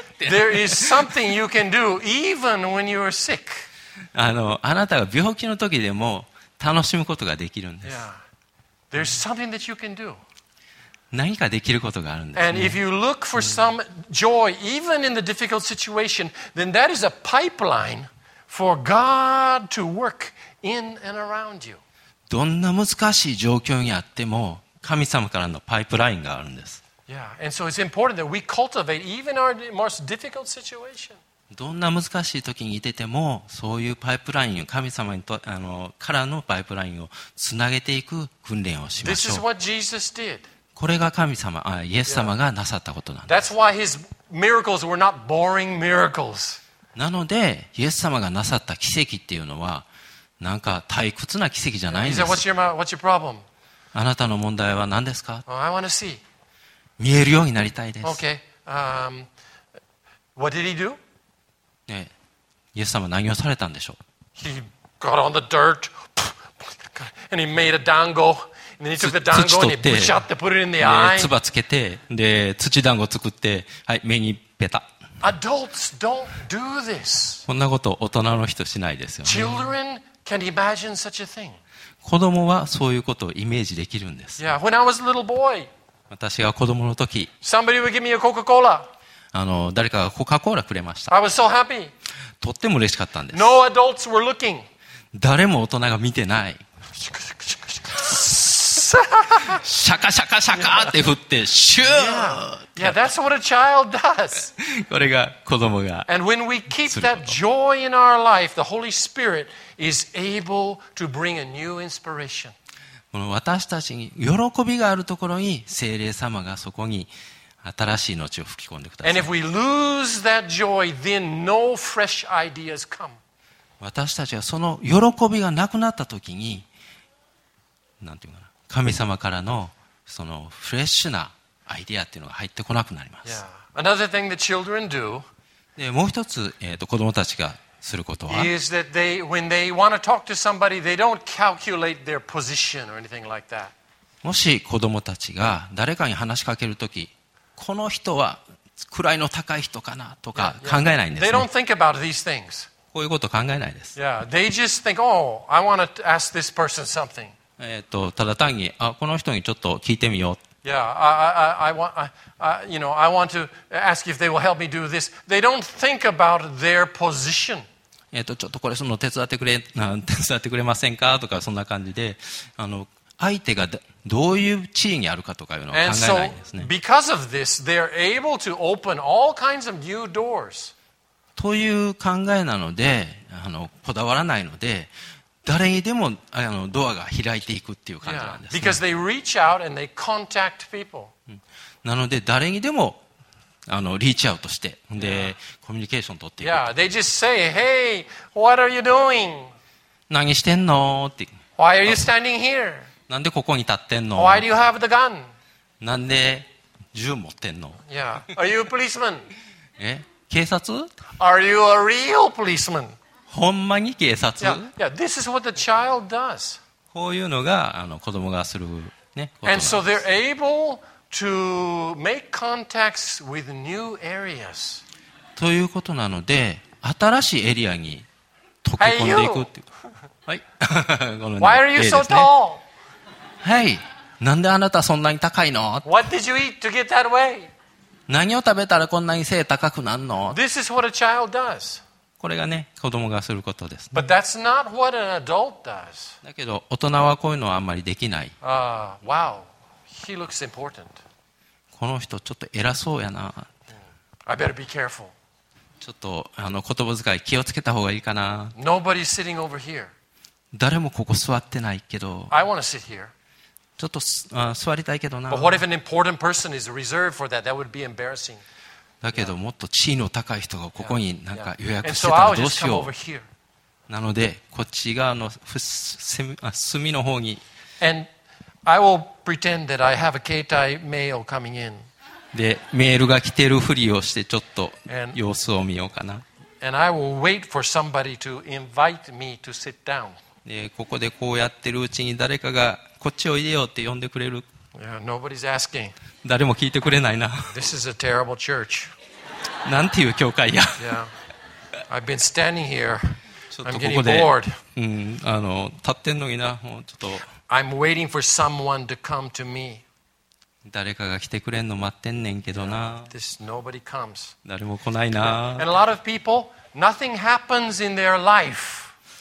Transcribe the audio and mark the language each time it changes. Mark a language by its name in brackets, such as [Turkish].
[English] There is something you can do even when you are sick. [Japanese] あなたが病気の時でも楽しむことができるんです。 [English] Yeah. There's something that you can do. [Japanese] 何かできることがあるんですね。 [English] And if you look for some joy, even in the difficult situation, then that is a pipeline for God to work in and around you. [Japanese] どんな難しい状況にあっても神様からのパイプラインがあるんです。 [English] Yeah. And so it's important that we cultivate even our most difficult situation. [Japanese] どんな難しい時にいててもそういうパイプラインを神様にとからのパイプラインをつなげていく訓練をしましょう。 [English] This is what Jesus did. [Japanese] これが神様、あ、イエス様がなさったことなんです。 [English] That's why his miracles were not boring miracles. [Japanese] なのでイエス様がなさった奇跡っていうのはなんか退屈な奇跡じゃないんです。 [English] He said, what's your problem? [Japanese] あなたの問題は何ですか？ [English] I want to see. [Japanese] 見えるようになりたいです。 [English] Okay. What did he do? [Japanese] ね、イエス様何をされたんでしょう？ [English] He got on the dirt and he made a dango. [Japanese] 土取って、で、つばつけて、で、土団子作って、はい、目にペタ。 [English] Adults don't do this. [Japanese] こんなこと大人の人しないですよね。 [English] Children can imagine such a thing. [Japanese] 子供はそういうことをイメージできるんです。 [English] Yeah, when I was a little boy. [Japanese] 私が子供の時、 [English] Somebody would give me a Coca-Cola. [Japanese] あの、誰かがコカ・コーラくれました。 [English] I was so happy. [Japanese] とっても嬉しかったんです。 [English] No adults were looking. [Japanese] 誰も大人が見てない。シャカシャカシャカって振ってシュー。 [English] Yeah. Yeah, that's what a child does. [Japanese] これが子供が。 [English] And when we keep that joy in our life, the Holy Spirit is able to bring a new inspiration. [Japanese] この私たちに喜びがあるところに聖霊様がそこに新しい命を吹き込んでください。 [English] And if we lose that joy, then no fresh ideas come. [Japanese] 私たちはその喜びがなくなったときに、なんていうかな。神様からのそのフレッシュなアイデアっていうのが入ってこなくなります。 [English] Yeah. Another thing that children do, [Japanese] でもう一つ、子供たちがすることは、 [English] is that they, when they want to talk to somebody, they don't calculate their position or anything like that. [Japanese] もし子供たちが誰かに話しかけるとき、この人は位の高い人かなとか考えないんですね。 [English] They don't think about these things. [Japanese] こういうこと考えないです。 [English] Yeah. They just think, oh, I want to ask this person something. [Japanese] ただ単にあこの人にちょっと聞いてみよう。 [English] I want to ask if they will help me do this. They don't think about their position. [Japanese] ちょっとこれその手伝ってくれませんかとかそんな感じで、あの相手がどういう地位にあるかとかいうのを考えないんですね。 [English] And so, because of this, they're able to open all kinds of new doors. [Japanese] という考えなので、あのこだわらないので。誰にでもあのドアが開いていくっていう感じなんですね。 [English] Because they reach out and they contact people. [Japanese] なので誰にでもあのリーチアウトしてでコミュニケーション取っていく。 [English] Yeah, they just say, "Hey, what are you doing?" [Japanese] 何してんのって。 [English] Why are you standing here? [Japanese] なんでここに立ってんの。 [English] Why do you have the gun? [Japanese] なんで銃持ってんの。 [English] Yeah, are you a policeman? [Japanese] 警察 [English] ？Are you a real policeman? [Japanese] ほんまに警察？ [English] Yeah, yeah, this is what the child does. [Japanese] こういうのがあの子供がする、ね、ことなんです。 [English] And so they're able to make contacts with new areas. [Japanese] ということなので新しいエリアに溶け込んでいくっていう。 [English] Hey, [Japanese] はい。 [English] ね、Why are you so tall? [Japanese] Hey, なんであなたそんなに高いの？ [English] What did you eat to get that way? [Japanese] 何を食べたらこんなに背高くなるの？ [English] This is what a child does. [Japanese] これがね、子供がすることです、ね。 [English] But that's not what an adult does. [Japanese] だけど、大人はこういうのはあんまりできない。 [English] Wow. He looks important. [Japanese] この人ちょっと偉そうやな。 [English] I better be careful. [Japanese] ちょっとあの言葉遣い気をつけた方がいいかな。 [English] Nobody's sitting over here. [Japanese] 誰もここ座ってないけど。 [English] I want to sit here. [Japanese] ちょっとあ座りたいけどな。 [English] But what if an important person is reserved for that? That would be embarrassing. [Japanese] だけどもっと地位の高い人がここになんか予約してたらどうしよう。なのでこっち側の隅の方に。 [English] And I will pretend that I have a 携帯 mail coming in. [Japanese] でメールが来てるふりをしてちょっと様子を見ようかな。 [English] And I will wait for somebody to invite me to sit down. [Japanese] でここでこうやってるうちに誰かがこっちおいでよって呼んでくれる。 [English] Yeah, nobody's asking. [Japanese] 誰も聞いてくれないな。 [English] This is a terrible church. [Japanese] なんていう教会や。 [English] Yeah. I've been standing here. I'm getting bored. [Japanese] あの、立ってんのにな。もうちょっと。 [English] I'm waiting for someone to come to me. [Japanese] 誰かが来てくれんの待ってんねんけどな。 [English] This nobody comes. [Japanese] 誰も来ないな。 [English] And a lot of people, nothing happens in their life.